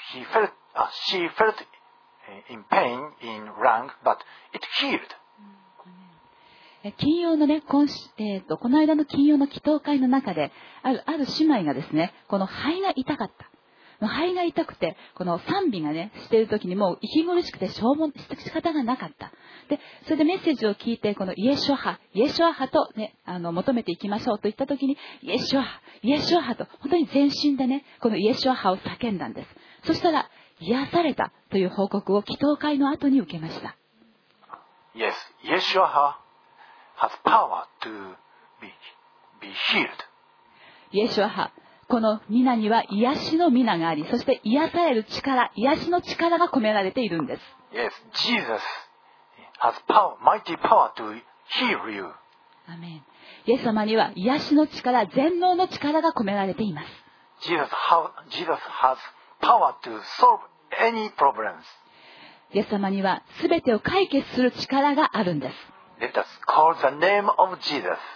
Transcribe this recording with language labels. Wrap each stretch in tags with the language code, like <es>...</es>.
<en>She felt in pain in rang, but it healed.</en> <ja>金曜のね、この間の金曜の祈祷会の中で、ある姉妹がですね、この肺が痛かった。肺が痛くて、この賛美がね、してるときにもう息苦しくて消耗して仕方がなかった。で、それでメッセージを聞いて、このイエシュアハ、イエシュアハとね、求めていきましょうと言ったときに、イエシュアハ、イエシュアハと、本当に全身でね、このイエシュアハを叫んだんです。そしたら、癒されたという報告を祈祷会の後に受けました。</ja> <en>Yes, イエシュアハ has power to be healed.</en> <ja>イエシュアハ。このミナには癒しのミナがあり、そして癒される力、癒しの力が込められているんです。</ja> <en>Yes, Jesus has power, mighty power to heal you.</en> <ja>アメン。イエス様には癒しの力、全能の力が込められています。</ja> <en>Jesus has power to solve any problems.</en> <ja>イエス様には全てを解決する力があるんです。</ja> <en>Let us call the name of Jesus.</en>